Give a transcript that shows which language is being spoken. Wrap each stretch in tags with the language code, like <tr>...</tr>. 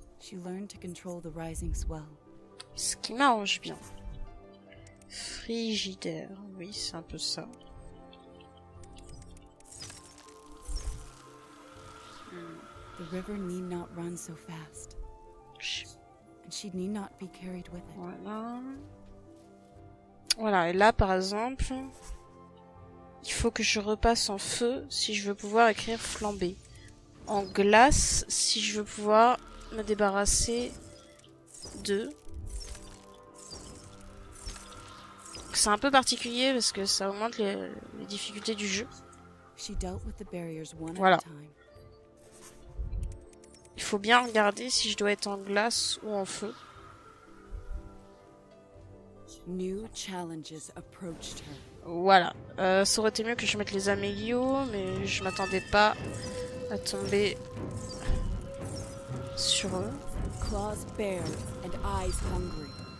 <en>She learned to control the rising swell.</en> <fr>Ce qui m'arrange bien. Frigidaire, oui, c'est un peu ça.</fr> <en>The river need not run so fast. And she need not be carried with it.</en> <fr>Voilà. Voilà, et là par exemple, il faut que je repasse en feu si je veux pouvoir écrire flamber. En glace si je veux pouvoir me débarrasser de. C'est un peu particulier parce que ça augmente les difficultés du jeu.</fr> <en>She dealt with the barriers one</en> <fr>voilà.</fr> <en>At a time.</en> <fr>Il faut bien regarder si je dois être en glace ou en feu.</fr> <en>New challenges approached her.</en> <fr>Voilà. Ça aurait été mieux que je mette les améliots, mais je m'attendais pas à tomber sur eux.</fr> <en>Claws bare and eyes hungry.</en>